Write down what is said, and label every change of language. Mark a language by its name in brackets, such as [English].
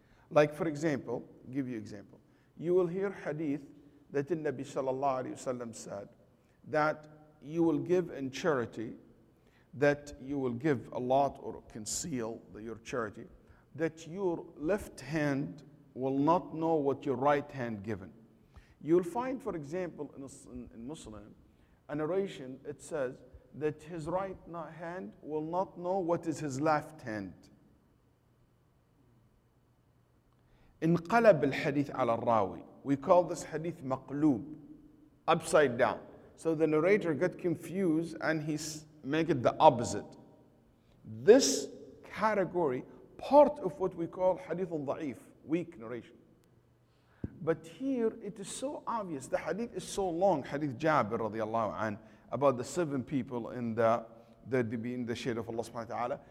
[English] Like for example, give you example. You will hear hadith that the Nabi sallallahu alayhi wa sallam said that you will give in charity, that you will give a lot or conceal your charity, that your left hand will not know what your right hand given. You'll find, for example, in Muslim, a narration, it says, that his right hand will not know what is his left hand. [Arabic] انقلب الحديث على الراوي. [English] We call this hadith مقلوب, upside down. So the narrator got confused and he make it the opposite. This category, part of what we call hadith ضعيف, weak narration. But here it is so obvious, the hadith is so long, hadith Jabir [Arabic] رضي الله عنه, [English] about the seven people in the shade of Allah subhanahu wa ta'ala.